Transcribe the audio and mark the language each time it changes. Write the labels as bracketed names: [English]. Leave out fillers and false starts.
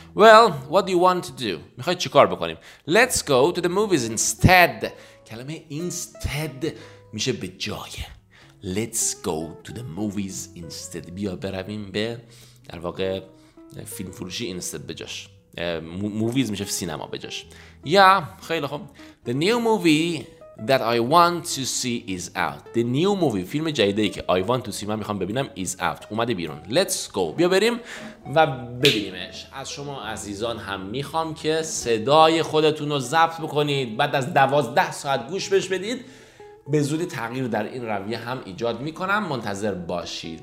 [English] Well, what do you want to do? [Persian] میخوای چی کار بکنیم؟ [English] Let's go to the movies instead. [Persian] کلمه instead میشه به جای. [English] Let's go to the movies instead. [Persian] بیا برویم به در واقع فیلم فروشی instead به جاش. Movies میشه سینما به جاش. [English] Yeah, [Persian] خیلی خوب. [English] The new movie that I want to see is out. The new movie, [Persian] فیلم جدیدی که [English] I want to see، [Persian] من میخوام ببینم، [English] is out، [Persian] اومده بیرون. [English] Let's go، [Persian] بیا بریم و ببینیمش. از شما عزیزان هم میخوام که صدای خودتون رو ضبط بکنید، بعد از 12 ساعت گوش بهش بدید. به زودی تغییر در این رویه هم ایجاد میکنم، منتظر باشید.